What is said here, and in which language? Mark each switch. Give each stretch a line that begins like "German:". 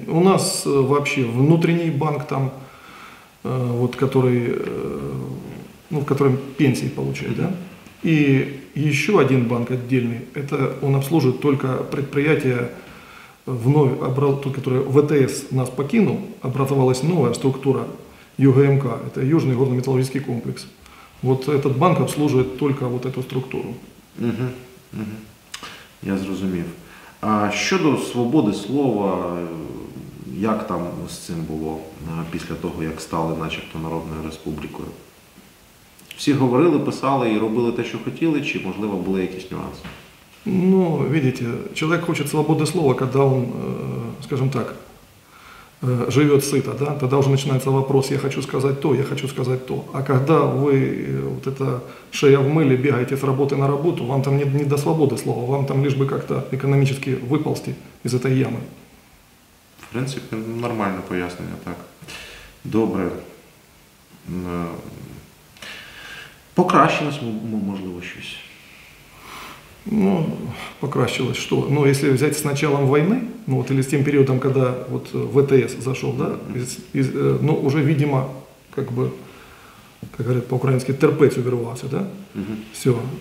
Ukrainian: У нас взагалі внутрішній банк там, от, який, ну, в якому пенсії отримують, да? І ще один банк окремий, це він обслуговує тільки підприємства, вновь обрати, ВТС нас покинув, образувалась нова структура ЮГМК, це Южний горно-металургический комплекс.
Russian: Вот этот банк обслуживает только вот эту структуру.
Ukrainian: Угу. Я зрозумів. А щодо свободи слова, як там з цим було після того, як стали начебто Народною Республікою? Всі говорили, писали і робили те, що хотіли, чи, можливо, були якісь нюанси?
Russian: Ну, видите, человек хочет свободы слова, когда он, скажем так, живет сыто, да, тогда уже начинается вопрос, я хочу сказать то, я хочу сказать то. А когда вы, вот эта шея в мыле, бегаете с работы на работу, вам там не до свободы слова, вам там лишь бы как-то экономически выползти из этой ямы.
Ukrainian: В принципе, нормально пояснение, так.
Russian: Доброе.
Ukrainian: Покращилось, можливо, щось.
Russian: Ну, покращилось что? Ну, если взять с началом войны, ну вот или с тем периодом, когда вот ВТС зашел, да, ну уже, видимо, как бы, как говорят по-украински, терпеть убирался, да? Угу. Все.